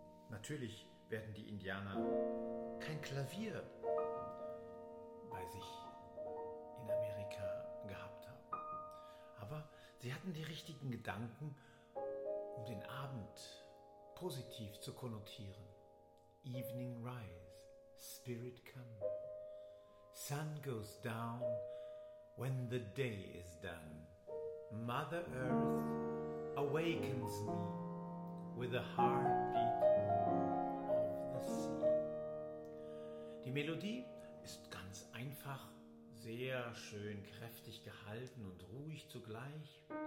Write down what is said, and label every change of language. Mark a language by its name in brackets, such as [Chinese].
[German] Natürlich werden die Indianer kein Klavier bei sich in Amerika gehabt haben. Aber sie hatten die richtigen Gedanken, um den Abend positiv zu konnotieren. [English] Evening rise, spirit come. Sun goes down when the day is done. Mother Earth awakens me with the heartbeat of the sea. [German] Die Melodie ist ganz einfach, sehr schön kräftig gehalten und ruhig zugleich.